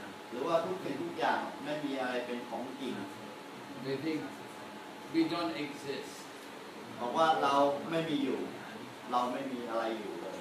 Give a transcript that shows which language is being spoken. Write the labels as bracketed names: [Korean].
[Thai] ชาวพุทธก็บอกว่าในที่สุดแล้วร่างกายหรือว่าทุกสิ่งทุกอย่างไม่มีอะไรเป็นของจริง. [English] They think we don't exist. [Thai] บอกว่าเราไม่มีอยู่เราไม่มีอะไรอยู่